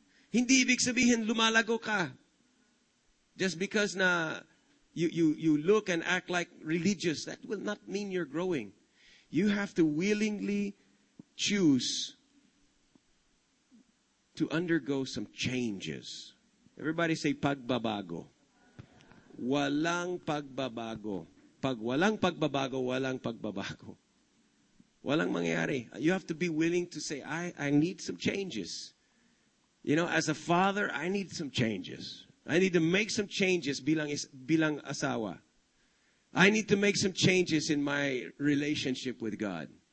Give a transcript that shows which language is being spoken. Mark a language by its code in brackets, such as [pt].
[tl] Hindi ibig sabihin lumalago ka. [en] Just because na you look and act like religious, that will not mean you're growing. You have to willingly choose to undergo some changes. Everybody say [tl] pagbabago. Walang pagbabago. Pag walang pagbabago, walang pagbabago. Walang mangyari. [en] You have to be willing to say, I need some changes. You know, as a father, I need some changes. I need to make some changes [tl] bilang asawa. [en] I need to make some changes in my relationship with God.